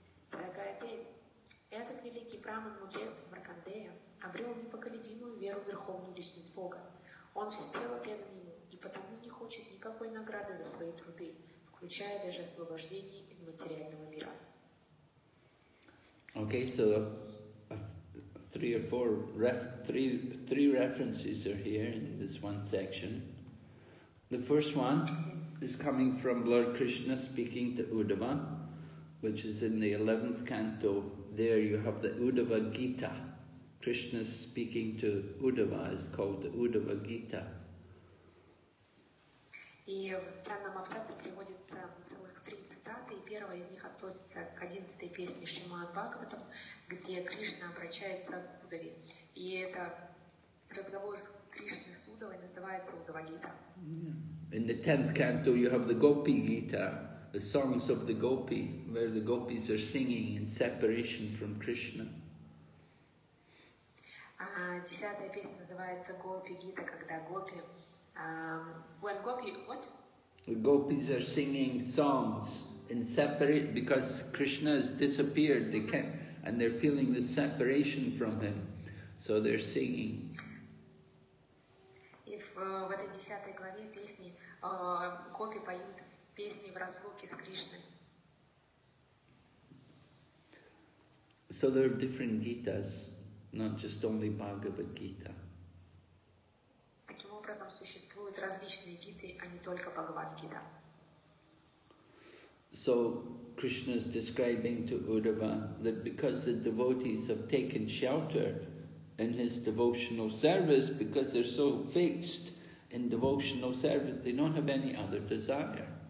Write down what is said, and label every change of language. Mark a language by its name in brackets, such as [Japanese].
[Russian] Дорогая Деви, этот великий браман-мудрец Маркандея обрел непоколебимую веру в верховную личность Бога. Он всецело предан ему и потому не хочет никакой награды за свои труды, включая даже освобождение из материального мира. [English] Okay, so three references are here in this one section. The first one is coming from Lord Krishna speaking to Uddhava, which is in the 11th canto. There you have the Uddhava Gita. Krishna speaking to Uddhava is called the Uddhava Gita. [Russian] И в данном абзаце приводится целых три цитаты, и первая из них относится к 11-й песне Шримад Бхагаватам, где Кришна обращается к Уддаве. И это разговор с Кришной с Уддавой называется Уддава Гита. [English] In the 10th canto you have the Gopi Gita, the songs of the Gopi, where the Gopis are singing in separation from Krishna. [Russian] Десятая песня называется Gopi Gita, когда Gopi... [English] when Gopi... what? The Gopis are singing songs in separate... because Krishna has disappeared, they can't, and they're feeling the separation from him, so they're singing. [Russian] В этой десятой главе песни Гопи поют песни в разлуке с Кришной. [English] So there are different Gitas, not just only Bhagavad Gita. [Russian] Таким образом, существуют различные Гиты, а не только Бхагавад Гита. [English] So Krishna is describing to Uddhava that because the devotees have taken shelter in his devotional service, because they're so fixed in devotional service, they don't have any other desire.